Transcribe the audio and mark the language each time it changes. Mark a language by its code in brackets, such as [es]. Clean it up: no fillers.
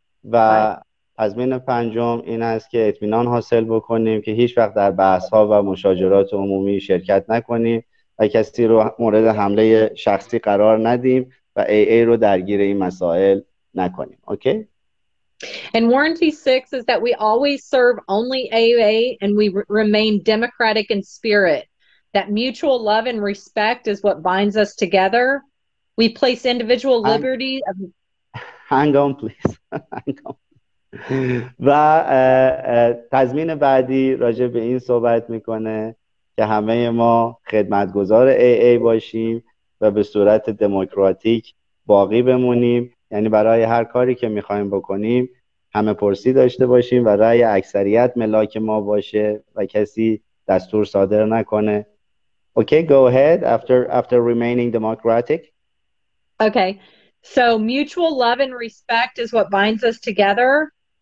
[fa] و تضمین پنجم این است که اطمینان حاصل بکنیم که هیچ وقت در بحث‌ها و مشاجرات عمومی شرکت نکنیم و کسی رو مورد حمله شخصی قرار ندیم و AA رو درگیر این مسائل نکنیم. اوکی؟ [en] And warranty 6 is that we always serve only AA and we remain democratic in spirit. That mutual love and respect is what binds us together. We place individual liberty of Hang on please. [fa] و تضمین بعدی راجع به این صحبت میکنه که همه ما خدمتگزار AA باشیم و به صورت دموکراتیک باقی بمونیم، یعنی برای هر کاری که میخوایم بکنیم همه پرسی داشته باشیم و رأی اکثریت ملاک ما باشه و کسی دستور صادر نکنه. [en] Okay, go ahead after remaining democratic. Okay, so mutual love and respect is what binds us together.